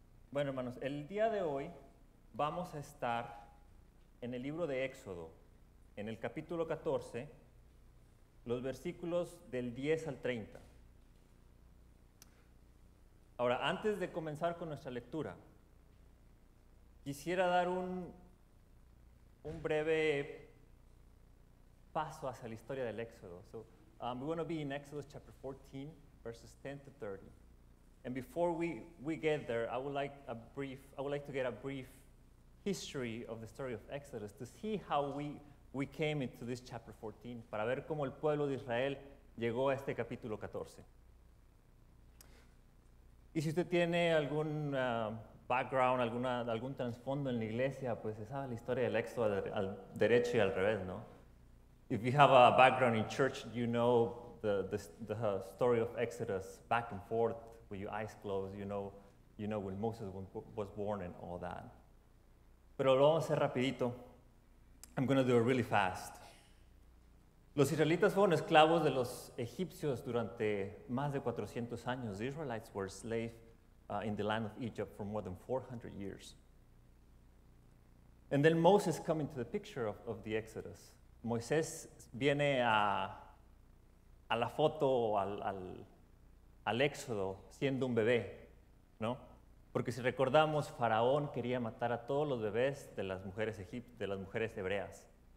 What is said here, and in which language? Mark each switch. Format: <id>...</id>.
<es>Bueno, hermanos, el día de hoy vamos a estar en el libro de Éxodo, en el capítulo 14, los versículos del 10 al 30. Ahora, antes de comenzar con nuestra lectura, quisiera dar un breve paso hacia la historia del Éxodo.</es> <en>So, we're going to be in Exodus chapter 14, verses 10 to 30. And before we get there, I would like to get a brief history of the story of Exodus to see how we came into this chapter 14,</en> <es>para ver cómo el pueblo de Israel llegó a este capítulo 14. Y si usted tiene algún background, algún trasfondo en la iglesia, pues se sabe la historia del Éxodo al derecho y al revés, ¿no?</es> <en>If you have a background in church, you know the story of Exodus back and forth. With your eyes closed, you know when Moses was born and all that.</en> <es>Pero lo vamos a hacer rapidito.</es> <en>I'm going to do it really fast.</en> <es>Los israelitas fueron esclavos de los egipcios durante más de 400 años.</es> <en>The Israelites were slaves in the land of Egypt for more than 400 years. And then Moses come into the picture of the Exodus.</en> <es>Moisés viene a la foto, al Éxodo, siendo un bebé, ¿no? Porque si recordamos, Faraón quería matar a todos los bebés de las mujeres hebreas.</es>